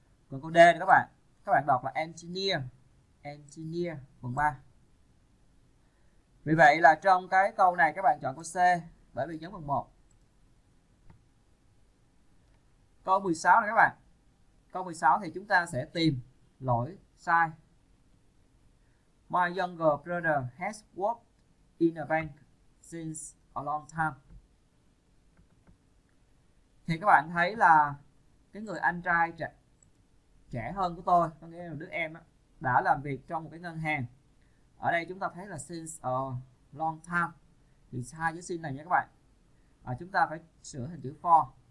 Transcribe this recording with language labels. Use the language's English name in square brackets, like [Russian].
[Vietnamese] Còn câu D này các bạn đọc là engineer, engineer phần 3. Vì vậy là trong cái câu này các bạn chọn câu C bởi vì nhấn phần 1. Câu 16 này các bạn. Câu 16 thì chúng ta sẽ tìm lỗi sai. [English] My younger brother has worked in a bank since a long time. [Vietnamese] Thì các bạn thấy là cái người anh trai trẻ hơn của tôi, có nghĩa là đứa em đó, đã làm việc trong một cái ngân hàng. Ở đây chúng ta thấy là [English] since a long time. [Vietnamese] Thì sai chữ since này nha các bạn. Chúng ta phải sửa thành chữ for.